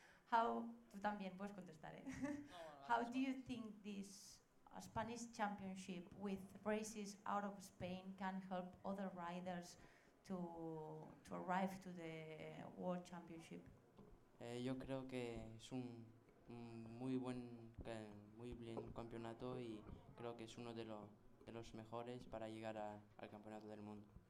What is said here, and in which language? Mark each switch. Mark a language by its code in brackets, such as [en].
[es] How tú también puedes contestar, ¿eh? [en] How do you think this Spanish championship with races out of Spain can help other riders to arrive to the world championship? [es] Yo creo que es un muy buen campeonato y creo que es uno de los mejores para llegar al campeonato del mundo.